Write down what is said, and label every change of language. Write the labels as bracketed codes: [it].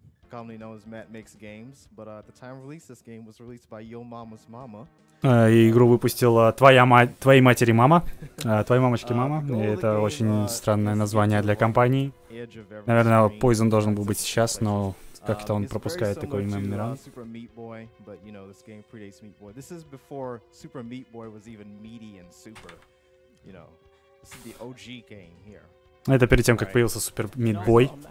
[en] Commonly known as Matt Makes Games, but at the time of release, this game was released by Yo Mama's Mama. [ru] Игру выпустила твоя мать, твоей матери мама, твоей мамочки мама. И это очень странное название для компании. Наверное, Poison должен был быть сейчас, но как-то он пропускает такое имя Мирана. [en] Super Meat Boy, but you know, this game predates Meat Boy. This is before Super Meat Boy was even meaty and super. You know, this is the OG game here. [ru] Это перед тем, как появился Супер Митбой.